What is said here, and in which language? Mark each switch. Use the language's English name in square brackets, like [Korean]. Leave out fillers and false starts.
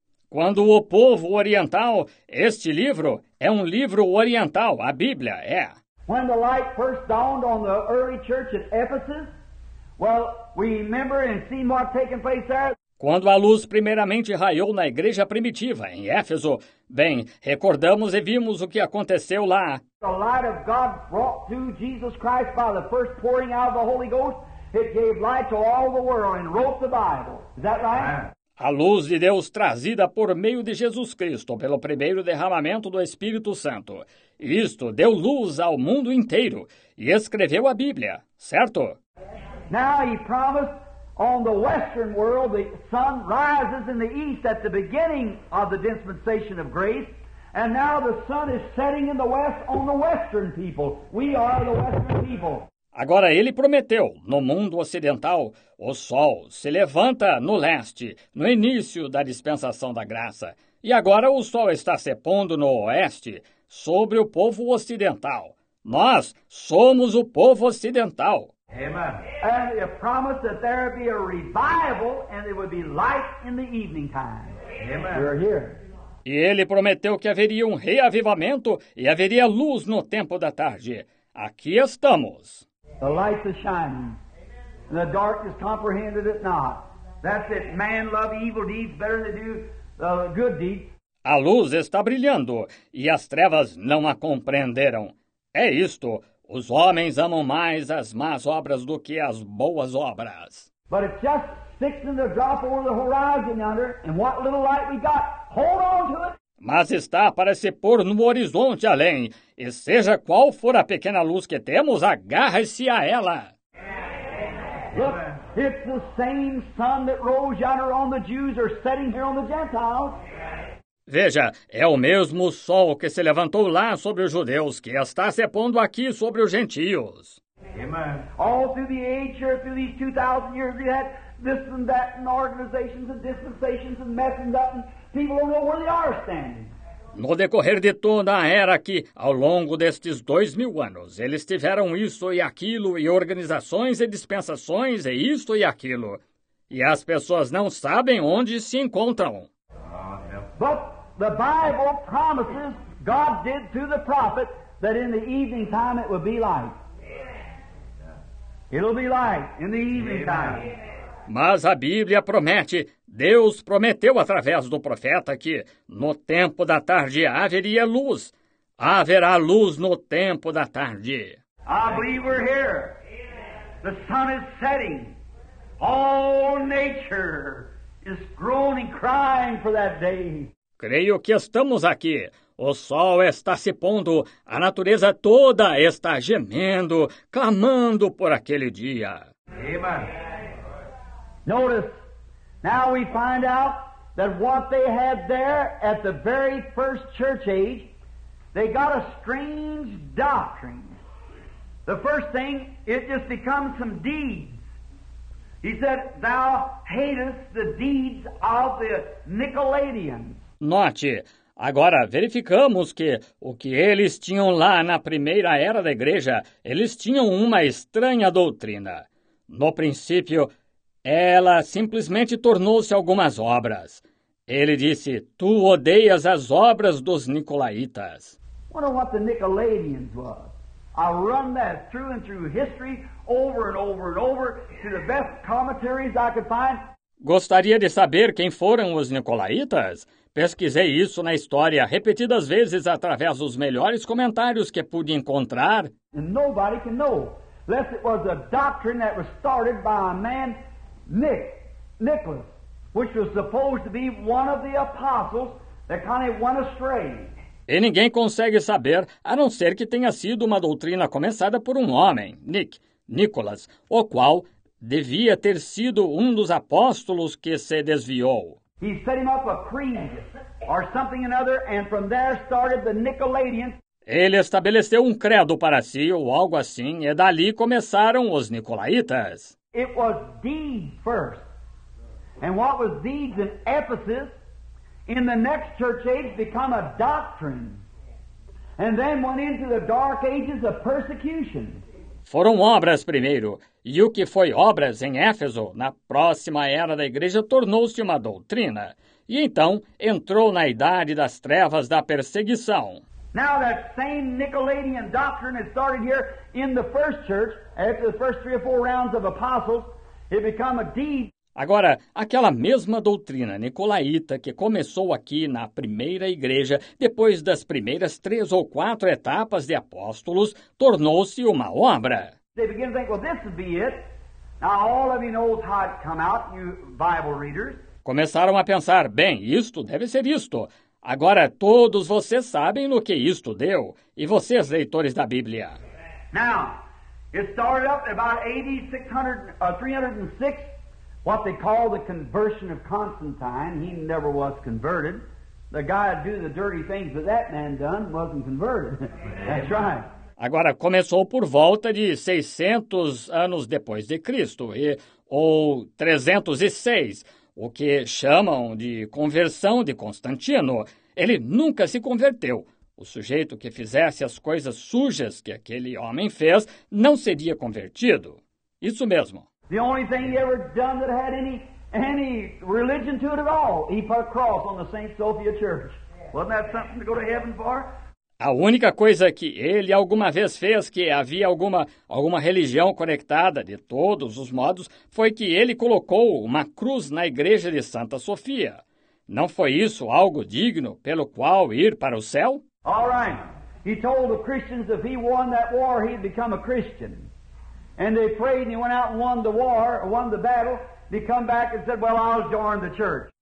[Portuguese] Quando o povo oriental, este livro é um livro oriental, a Bíblia é. [English] When the light first dawned on the early church at Ephesus, well, we remember and see what taken place there. [Portuguese] Quando a luz primeiramente raiou na igreja primitiva, em Éfeso, bem, recordamos e vimos o que aconteceu lá. [English] The light of God brought to Jesus Christ by the first pouring out of the Holy Ghost, it gave light to all the world and wrote the Bible. Is that right? [Portuguese] A luz de Deus trazida por meio de Jesus Cristo, pelo primeiro derramamento do Espírito Santo. Isto deu luz ao mundo inteiro e escreveu a Bíblia, certo? [English] Now he promised on the western world the sun rises in the east at the beginning of the dispensation of grace, and now the sun is setting in the west on the western people. We are the western people. [Portuguese] Agora ele prometeu, no mundo ocidental, o sol se levanta no leste, no início da dispensação da graça, e agora o sol está se pondo no oeste, sobre o povo ocidental. Nós somos o povo ocidental. [English] And he promised that there would be a revival and it would be light in the evening time. Amen. We're here. [Portuguese] E ele prometeu que haveria um reavivamento e haveria luz no tempo da tarde. Aqui estamos. [English] The light is shining. And the darkness comprehended it not. That's it. Man love evil deeds better than do the good deeds. [Portuguese] A luz está brilhando e as trevas não a compreenderam. É isto. Os homens amam mais as más obras do que as boas obras. [English] But it's just fixing to drop over the horizon yonder, and what little light we got, hold on to it. [Portuguese] Mas está para se pôr no horizonte além, e seja qual for a pequena luz que temos, agarre-se a ela. [English] Look, it's the same sun that rose yonder on the Jews or setting here on the Gentiles. [Portuguese] Veja, é o mesmo sol que se levantou lá sobre os judeus, que está se pondo aqui sobre os gentios. [English] Amen. All through the age, or through these 2,000 years, we had this and that, and organizations and dispensations and messing up, and people don't know where they are standing. [Portuguese] No decorrer de toda a era aqui, ao longo destes 2,000 anos, eles tiveram isso e aquilo, e organizações e dispensações, e isto e aquilo. E as pessoas não sabem onde se encontram. [English] But the Bible promises, God did through the prophet, that in the evening time it would be light. It'll be light in the evening time. [Portuguese] Mas a Bíblia promete, Deus prometeu através do profeta que, no tempo da tarde, haveria luz. Haverá luz no tempo da tarde. [English] I believe we're here. The sun is setting. All nature is groaning, crying for that day. [Portuguese] Creio que estamos aqui. O sol está se pondo. A natureza toda está gemendo, clamando por aquele dia. [English] Amen. Notice, now we find out that what they had there at the very first church age, they got a strange doctrine. The first thing, it just becomes some deeds. He said, thou hatest the deeds of the Nicolaitans. [Portuguese] Note, agora verificamos que o que eles tinham lá na primeira era da igreja, eles tinham uma estranha doutrina. No princípio, ela simplesmente tornou-se algumas obras. Ele disse, tu odeias as obras dos Nicolaitas. [English] Wonder what the Nicolaitans was. I'll run that through and through history, over and over and over, to the best commentaries I could find. [Portuguese] Gostaria de saber quem foram os Nicolaitas? Pesquisei isso na história repetidas vezes através dos melhores comentários que pude encontrar. [English] And nobody can know, unless it was a doctrine that was started by a man, Nicholas, which was supposed to be one of the apostles that kind of went astray. [Portuguese] E ninguém consegue saber, a não ser que tenha sido uma doutrina começada por um homem, Nicholas, o qual devia ter sido um dos apóstolos que se desviou. [English] He set him up a creed or something another, and from there started the Nicolaitans. [Portuguese] Ele estabeleceu um credo para si ou algo assim, e dali começaram os Nicolaitas. [English] It was deeds first. And what was deeds in Ephesus? In the next church age become a doctrine, and then went into the dark ages of persecution. [Portuguese] Foram obras primeiro, e o que foi obras em Éfeso, na próxima era da igreja, tornou-se uma doutrina. E então, entrou na idade das trevas da perseguição. [English] Now that same Nicolaitan doctrine that started here in the first church, after the first three or four rounds of apostles, it became a deed. [Portuguese] Agora, aquela mesma doutrina nicolaíta que começou aqui na primeira igreja, depois das primeiras três ou quatro etapas de apóstolos, tornou-se uma obra. [English] They begin to think, well, this would be it. Now, all of you know how it come out, you Bible readers. [Portuguese] Começaram a pensar, bem, isto deve ser isto. Agora, todos vocês sabem no que isto deu. E vocês, leitores da Bíblia? [English] Now, it started up about 306. What they call the conversion of Constantine, he never was converted. The guy that do the dirty things that that man done wasn't converted. That's right. [Portuguese] Agora, começou por volta de 600 anos depois de Cristo, ou 306, o que chamam de conversão de Constantino. Ele nunca se converteu. O sujeito que fizesse as coisas sujas que aquele homem fez não seria convertido. Isso mesmo. [English] The only thing he ever done that had any religion to it at all, he put a cross on the St. Sophia Church. Wasn't that something to go to heaven for? [Portuguese] A única coisa que ele alguma vez fez que havia alguma religião conectada de todos os modos foi que ele colocou uma cruz na igreja de Santa Sofia. Não foi isso algo digno pelo qual ir para o céu? [English] All right. He told the Christians if he won that war, he'd become a Christian. And they prayed and he went out and won the war, won the battle. He come back and said, well, I'll join the church.